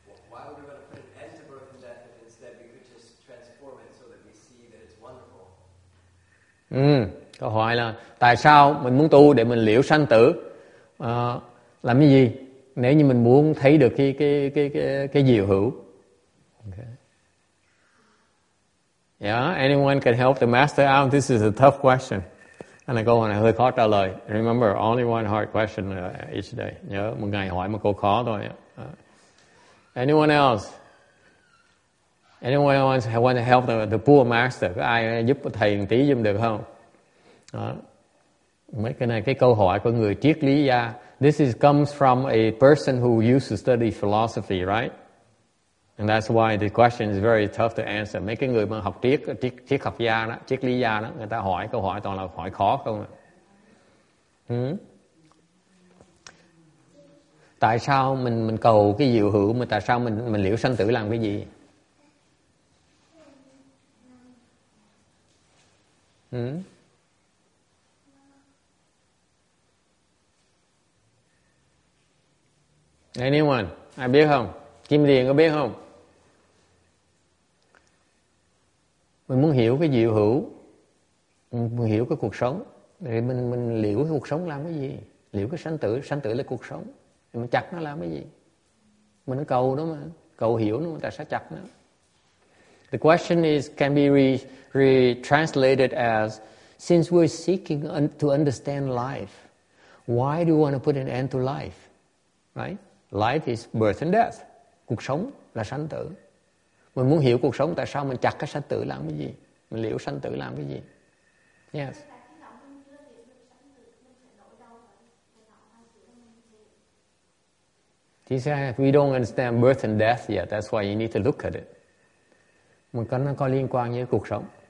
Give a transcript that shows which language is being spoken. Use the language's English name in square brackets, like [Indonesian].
[English] Why would we want to put an end to birth and death if instead we could just transform it so that we see that it's wonderful? [Vietnamese] Câu hỏi là tại sao mình muốn tu để mình liễu sanh tử? Làm cái gì? Nếu như mình muốn thấy được cái diệu hữu. Okay. [English] Yeah, anyone can help the master out. This is a tough question. And I go on, [Vietnamese] hơi khó trả lời. [English] Remember, only one hard question each day. [Vietnamese] Nhớ, một ngày hỏi một câu khó thôi. [English] Anyone else? Anyone else want to help the poor master? [Vietnamese] Có ai giúp thầy một tí giùm được không? Mấy cái này, cái câu hỏi của người triết lý gia. [English] This is comes from a person who used to study philosophy, right? And that's why the question is very tough to answer. [Vietnamese] Mấy cái người mà học triết học gia đó, triết lý gia đó, người ta hỏi câu hỏi toàn là hỏi khó không ạ? Tại sao mình cầu cái diệu hữu mà tại sao mình liễu sanh tử làm cái gì? [English] Anyone? [Vietnamese] Ai biết không? Kim Liên có biết không? Mình muốn hiểu cái diệu hữu, mình hiểu cái cuộc sống. Thì mình liễu cái cuộc sống làm cái gì? Liễu cái sanh tử là cuộc sống. Thì mình chặt nó làm cái gì? Mình cầu nó mà, cầu hiểu nó mà, tại sao chặt nó? [English] The question is, can be retranslated as, since we're seeking to understand life, why do you want to put an end to life? Right? Life is birth and death. [Vietnamese] Cuộc sống là sanh tử. Mình muốn hiểu cuộc sống, tại sao mình chặt cái sanh tử làm cái gì? Mình liễu sanh tử làm cái gì? [English] Yes. He said, we don't understand birth and death yet. That's why you need to look at it. [Vietnamese] Mình cần nó có liên quan với cuộc sống.